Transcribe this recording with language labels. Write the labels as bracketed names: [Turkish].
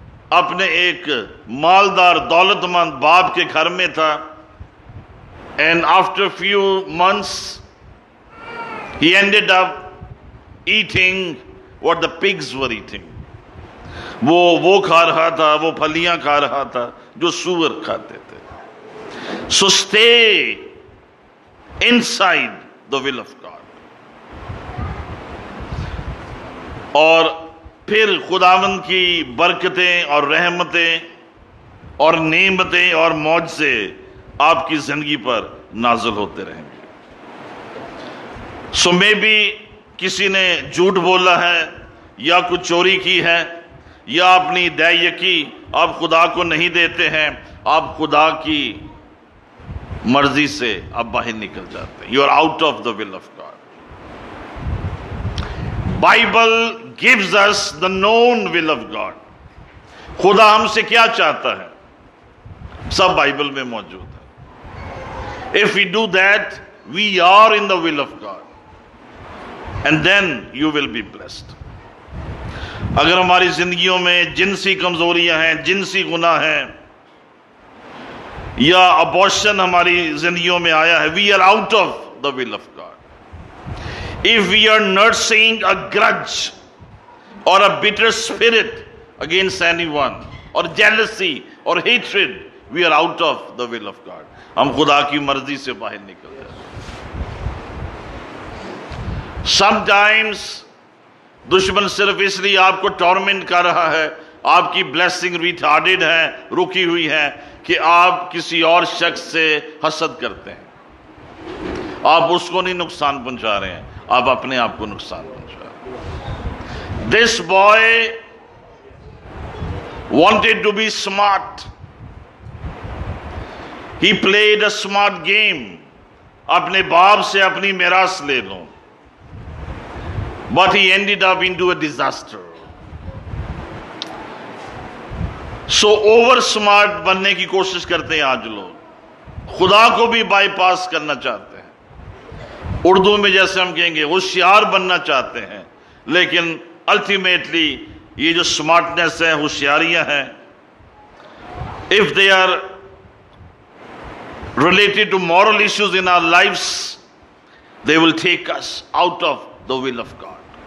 [Urdu] اپنے ایک مالدار دولت مند باپ کے گھر میں تھا. [English] And after few months ہی ended up eating what the pigs were eating. [Urdu] وہ کھا رہا تھا, وہ پھلیاں کھا رہا تھا جو سور کھاتے تھے. [English] So stay inside the will of God. [Urdu] اور پھر خداوند کی برکتیں اور رحمتیں اور نعمتیں اور معجزے آپ کی زندگی پر نازل ہوتے رہیں گے. سو مے بی کسی نے جھوٹ بولا ہے, یا کچھ چوری کی ہے, یا اپنی دے یقی آپ خدا کو نہیں دیتے ہیں, آپ خدا کی مرضی سے آپ باہر نکل جاتے ہیں. [English] You are out of the will of God. Bible gives us the known will of God. [Urdu] خدا ہم سے کیا چاہتا ہے سب بائبل میں موجود ہے. [English] If we do that, we are in the will of God. And then you will be blessed. [Urdu] اگر ہماری زندگیوں میں جنسی کمزوریاں ہیں, جنسی گناہ ہیں, یا abortion ہماری زندگیوں میں آیا ہے, [English] we are out of the will of God. If we are nursing a grudge or a bitter spirit against anyone, or jealousy or hatred, we are out of the will of God. [Urdu] ہم خدا کی مرضی سے باہر نکل جائیں. Sometimes دشمن صرف اس لیے آپ کو ٹورمنٹ کر رہا ہے, آپ کی بلیسنگ ریٹارڈڈ ہے, رکی ہوئی ہے, کہ آپ کسی اور شخص سے حسد کرتے ہیں. آپ اس کو نہیں نقصان پہنچا رہے ہیں, آپ اپنے آپ کو نقصان پہنچا رہے ہیں. [English] This boy wanted to be smart. He played a smart game. [Urdu] اپنے باپ سے اپنی میراث لے لوں. [English] But he ended up into a disaster. So over smart [Urdu] بننے کی کوشش کرتے ہیں آج لوگ. خدا کو بھی بائی پاس کرنا چاہتے ہیں. اردو میں جیسے ہم کہیں گے ہوشیار بننا چاہتے ہیں, لیکن الٹیمیٹلی یہ جو اسمارٹنیس ہے, ہوشیاریاں ہیں, [English] If they are related to moral issues in our lives, they will take us out of the will of God.